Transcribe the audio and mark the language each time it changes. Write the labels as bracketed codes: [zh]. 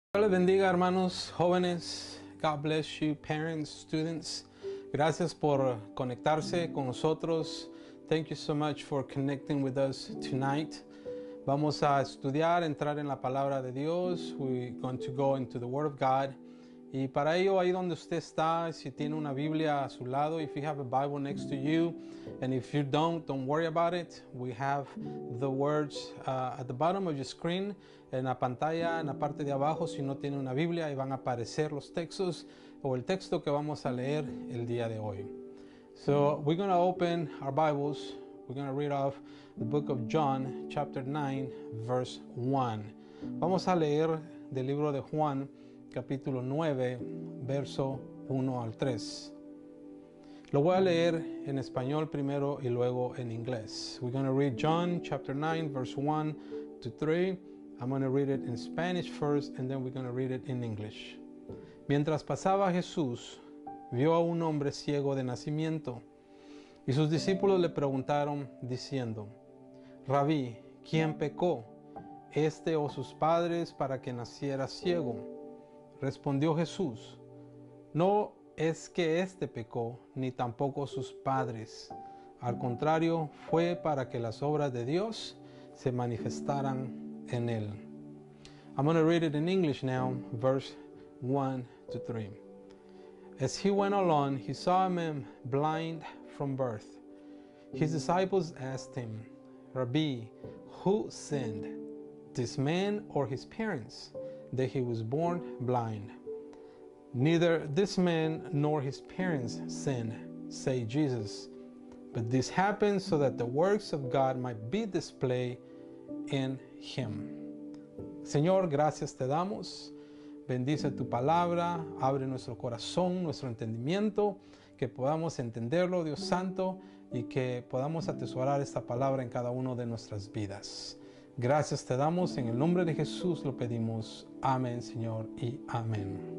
[es] Bendiga, hermanos, jóvenes. [en] God bless you, parents, students. [es] Gracias por conectarse con nosotros. [en] Thank you so much for connecting with us tonight. [es] Vamos a estudiar, entrar en la palabra de Dios. [en] We're going to go into the Word of God. [es] Y para ello, ahí donde usted está, si tiene una Biblia a su lado, [en] if you have a Bible next to you, and if you don't worry about it. We have the words at the bottom of your screen. [es] En la pantalla, en la parte de abajo, si no tiene una Biblia, ahí van a aparecer los textos o el texto que vamos a leer el día de hoy. [en] So, we're going to open our Bibles. We're going to read off the book of John, chapter 9, verse 1. [es] Vamos a leer del libro de Juan, capítulo 9, verso 1 al 3. Lo voy a leer en español primero y luego en inglés. [en] We're going to read John, chapter 9, verse 1 to 3. I'm going to read it in Spanish first, and then we're going to read it in English. [es] Mientras pasaba Jesús, vio a un hombre ciego de nacimiento, y sus discípulos le preguntaron, diciendo, Rabí, ¿quién pecó, este o sus padres, para que naciera ciego? Respondió Jesús, no es que este pecó, ni tampoco sus padres. Al contrario, fue para que las obras de Dios se manifestaran en él. [en] I'm going to read it in English now, verse 1 to 3. As he went along, he saw a man blind from birth. His disciples asked him, Rabbi, who sinned, this man or his parents, that he was born blind? Neither this man nor his parents sinned, say Jesus. But this happened so that the works of God might be displayed in him. [es] Señor, gracias te damos. Bendice tu palabra, abre nuestro corazón, nuestro entendimiento, que podamos entenderlo, Dios Santo, y que podamos atesorar esta palabra en cada uno de nuestras vidas. Gracias te damos, en el nombre de Jesús lo pedimos. Amén, Señor, y amén.